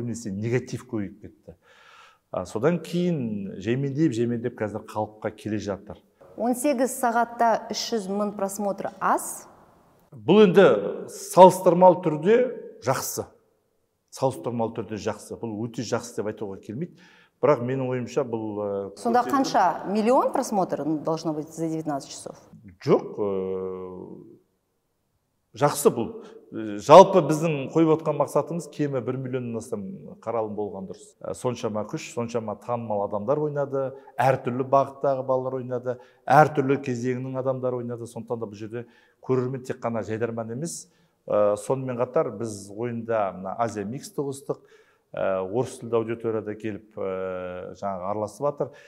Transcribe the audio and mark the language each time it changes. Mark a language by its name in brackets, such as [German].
[Kazakh] Көбінесе негатив көбейіп кетті. Содан кейін жемендеп қазір қалыпқа келе жатыр. 18 сағатта 300 мың просмотр аз? Бұл енді салыстырмалы түрде жақсы. Салыстырмалы түрде жақсы. Бұл өте жақсы деп айтуға келмейді. Бірақ менің ойымша бұл... Сонда қанша? [Russian] Миллион просмотр должно быть за 19 часов? [Kazakh] Жоқ. Жақсы бұл. жалпы біздің қойып отқан мақсатымыз кемі 1 миллионнан астам қаралым болған дұрыс. Соншама күш, соншама танымал адамдар ойнады, әртүрлі бағыттағы балалар ойнады, әртүрлі кезеңнің адамдары ойнады. Сондықтан да бұл жерде көрермен тек қана жайдарман емес, сонымен қатар біз ойында мына Азия Миксті ұстық, орыс тілді аудиторияда келіп жаңағы араласып жатыр.